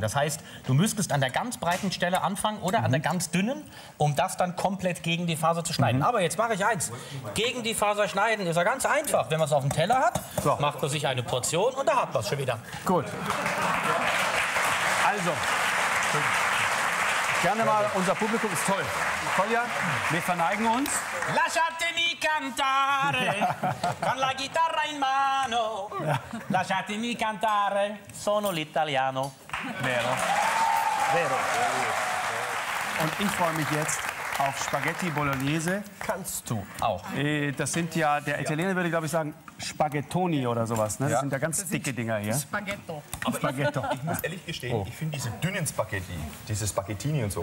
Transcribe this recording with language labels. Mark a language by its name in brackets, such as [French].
[German] Das heißt, du müsstest an der ganz breiten Stelle anfangen oder an der ganz dünnen, um das dann komplett gegen die Faser zu schneiden. Mhm. Aber jetzt mache ich eins. Gegen die Faser schneiden ist ja ganz einfach. Wenn man es auf dem Teller hat, macht man sich eine Portion und da hat man es schon wieder. Gut. Also, gerne mal, unser Publikum ist toll. Kolja, wir verneigen uns. [Italian] Lasciatemi cantare, con la chitarra in mano. Lasciatemi cantare, sono l'italiano. Vero. Vero. [German] Und ich freue mich jetzt auf Spaghetti Bolognese. Kannst du auch. Das sind ja, der Italiener würde, glaube ich, sagen, Spaghettoni oder sowas. Ne? Das sind ja ganz dicke Dinger hier. Spaghetto. Aber Spaghetto. Ich muss ehrlich gestehen, ich finde diese dünnen Spaghetti, diese Spaghettini und so.